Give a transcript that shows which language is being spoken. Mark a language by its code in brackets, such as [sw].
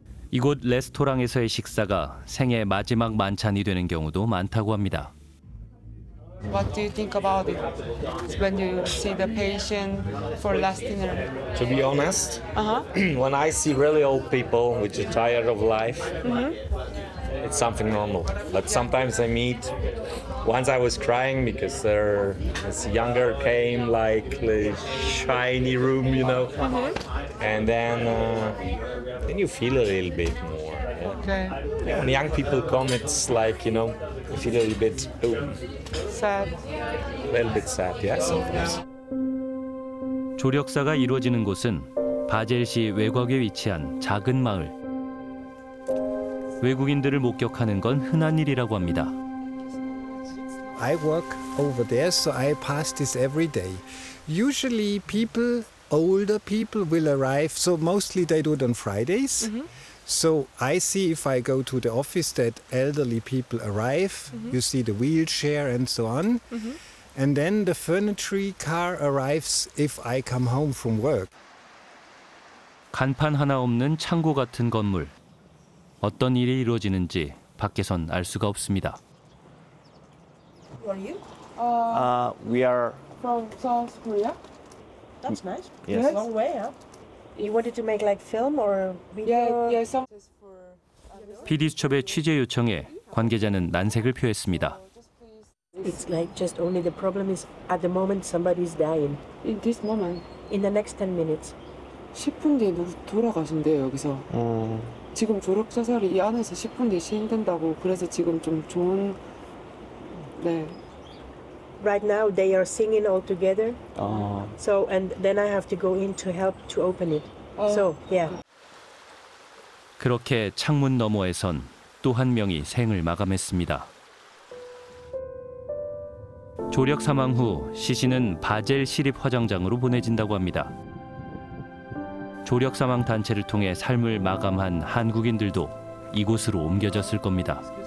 [ko] 이곳 레스토랑에서의 식사가 생애 마지막 만찬이 되는 경우도 많다고 합니다. [en] What do you think about it when you see the patient for last dinner? To be honest, when I see really old people which are tired of life, it's something normal. But sometimes I meet, once I was crying because this younger came, like the shiny room, you know? And then you feel a little bit more. Okay. When young people come, it's like, you know, you feel a little bit sad. A little bit sad, yeah, sometimes. [ko] 조력사가 이루어지는 곳은 바젤시 외곽에 위치한 작은 마을. 외국인들을 목격하는 건 흔한 일이라고 합니다. [en] I work over there, so I pass this every day. Usually people, older people will arrive, so mostly they do it on Fridays. So I see if I go to the office that elderly people arrive, you see the wheelchair and so on, and then the furniture car arrives if I come home from work. [ko] 간판 하나 없는 창고 같은 건물. 어떤 일이 이루어지는지 밖에선 알 수가 없습니다. [en] Who are you? We are from South Korea. That's nice. Yes. A long way, huh? You wanted to make like film or video? Yeah, some. [ko] PD수첩의 취재 요청에 관계자는 난색을 표했습니다. [en] It's like just only the problem is at the moment somebody is dying. In this moment. In the next 10 minutes. [ko] 10분 뒤에 누구 돌아가신대요 여기서. 지금 조력 사살이 이 안에서 10분 뒤에 시행된다고 그래서 지금 좀 좋은 네. [en] Right now they are singing all together. So and then I have to go in to help to open it. So yeah. [ko] 그렇게 창문 너머에선 또 한 명이 생을 마감했습니다. 조력 사망 후 시신은 바젤 시립 화장장으로 보내진다고 합니다. 조력 사망 단체를 통해 삶을 마감한 한국인들도 이곳으로 옮겨졌을 겁니다.